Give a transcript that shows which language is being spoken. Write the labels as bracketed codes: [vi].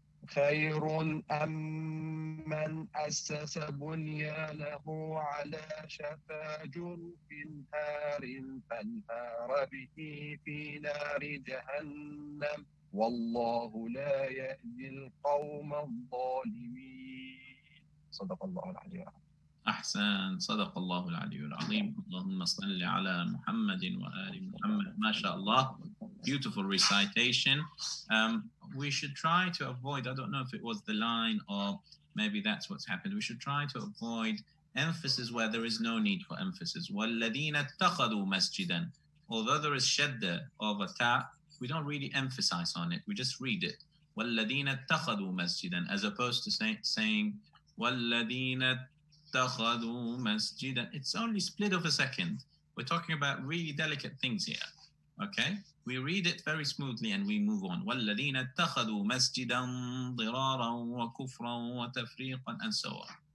[ar] خير أم من أسس بنيانه على شفا جرف هار فانهار به في نار جهنم والله لا يهدي القوم الظالمين صدق الله العلي العظيم أحسن صدق الله العلي العظيم اللهم صل على محمد وآل محمد ما شاء الله [en] beautiful recitation we should try to avoid I don't know if it was the line or maybe that's what's happened we should try to avoid emphasis where there is no need for emphasis [ar] والذين اتخذوا مسجدا [en] although there is شدة over ta we don't really emphasize on it. We just read it. [ar] وَالَّذِينَ اتَّخَذُوا مَسْجِدًا [en] as opposed to saying [ar] وَالَّذِينَ اتَّخَذُوا مَسْجِدًا. [en] It's only split of a second. We're talking about really delicate things here. Okay? We read it very smoothly and we move on. [ar] وَالَّذِينَ اتَّخَذُوا مَسْجِدًا ضِرَارًا وَكُفْرًا وَتَفْرِيقًا [en] and so on.